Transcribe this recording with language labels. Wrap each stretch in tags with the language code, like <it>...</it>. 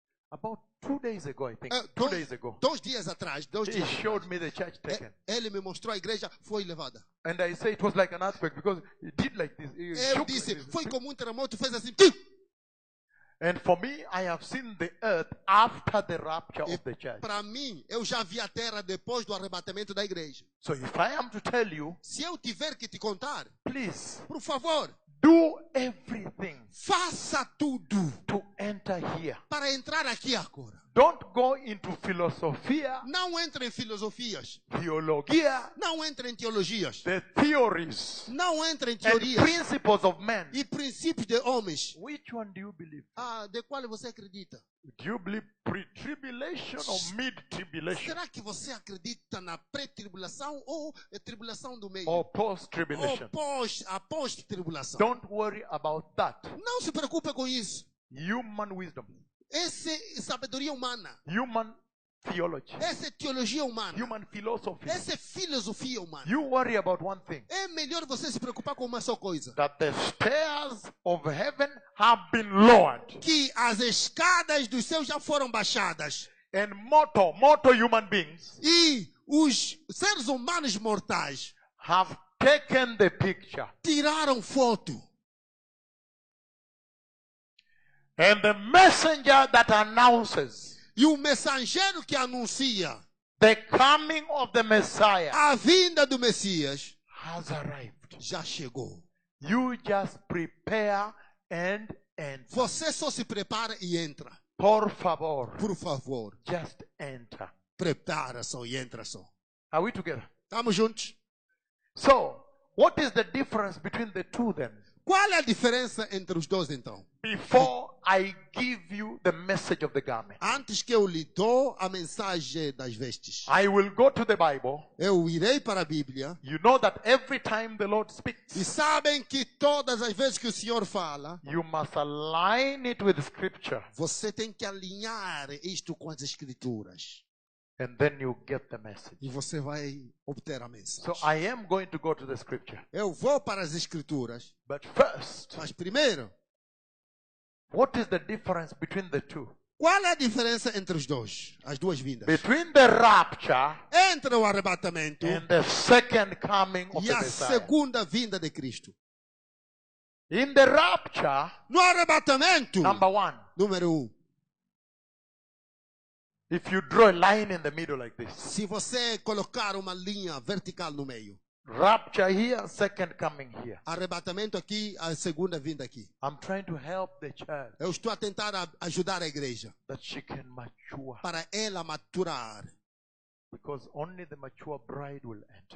<en>About 2 days ago, I think. Two days ago.</en> <pt>Dois dias atrás.</pt> <en>He showed me the church taken.</en> <pt>Ele me mostrou a igreja foi levada.</pt> <en>And I say it was like an earthquake because it did like this.</en> <pt>Ele disse, foi como terremoto, fez assim. Tim!</pt> <en>And for me, I have seen the earth after the rapture of the church.</en> <pt>Para mim, eu já vi a terra depois do arrebatamento da igreja.</pt> <en>So if I am to tell you,</en> <pt>se eu tiver que te contar,</pt> <en>please,</en> <pt>por favor,</pt> <en>do everything,</en> <pt>faça tudo,</pt> <en>to enter here,</en> <pt>para entrar aqui agora.</pt> <en>Don't go into filosofia,</en> <pt>não entre em filosofias,</pt> <en>teologia,</en> <pt>não entre em teologias,</pt> <en>the theories,</en> <pt>não entre em teorias,</pt> <en>and principles of men,</en> <pt>e princípios de homens.</pt> <en>Which one do you believe?</en> <pt>Ah, de qual você acredita?</pt> <en>Do you believe pre-tribulation or mid-tribulation?</en> <pt>Será que você acredita na pré-tribulação ou tribulação do meio?</pt> <en>Or post-tribulation?</en> <pt>Ou pós, após tribulação?</pt> <en>Don't worry about that.</en> <pt>Não se preocupe com isso.</pt> <en>Human wisdom.</en> <pt>Essa é sabedoria humana.</pt> <en>Human theology.</en> <pt>Essa é teologia humana.</pt> <en>Human philosophy.</en> <pt>Essa é filosofia humana.</pt> <en>You worry about one thing.</en> <pt>É melhor você se preocupar com uma só coisa.</pt> <en>That the stairs of heaven have been lowered.</en> <pt>Que as escadas dos céus já foram baixadas.</pt> <en>And mortal human beings.</en> <pt>E os seres humanos mortais</pt> <en>have taken the picture.</en> <pt>Tiraram foto.</pt> <en>And the messenger that announces,</en> <pt>e o mensageiro que anuncia,</pt> <en>the coming of the Messiah,</en> <pt>a vinda do Messias,</pt> <en>has arrived.</en> <pt>Já chegou.</pt> <en>You just prepare and enter.</en> <pt>Você só se prepara e entra. Por favor. Por favor.</pt> <en>Just enter.</en> <pt>Prepara só e entra só.</pt> <en>Are we together?</en> <pt>Estamos juntos.</pt> <en>So, what is the difference between the two then?</en> <pt>Qual é a diferença entre os dois então?</pt> <en>Before I give you the message of the garment.</en> <pt>Antes que eu lhe dou a mensagem das vestes.</pt> <en>I will go to the Bible.</en> <pt>Eu irei para a Bíblia.</pt> <en>You know that every time the Lord speaks.</en> <pt>E sabem que todas as vezes que o Senhor fala.</pt> <en>You must align it with scripture.</en> <pt>Você tem que alinhar isto com as escrituras.</pt> <en>And then you get the message.</en> <pt>E você vai obter a mensagem.</pt> <en>So I am going to go to the scripture.</en> <pt>Eu vou para as escrituras.</pt> <en>But first,</en> <pt>mas primeiro,</pt> <en>what is the difference between the two?</en> <pt>Qual é a diferença entre os dois, as duas vindas?</pt> <en>Between the rapture,</en> <pt>entre o arrebatamento,</pt> <en>and the second coming of the Messiah.</en> <pt>E a segunda vinda de Cristo.</pt> <en>In the rapture,</en> <pt>no arrebatamento,</pt> <en>number one,</en> <pt>número um.</pt> <en>If you draw a line in the middle like this.</en> <pt>Se você colocar uma linha vertical no meio.</pt> <en>Rapture here, second coming here.</en> <pt>Arrebatamento aqui, a segunda vinda aqui.</pt> <en>I'm trying to help the church.</en> <pt>Eu estou a tentar ajudar a igreja.</pt> <en>That she can mature.</en> <pt>Para ela maturar.</pt> <en>Because only the mature bride will enter.</en>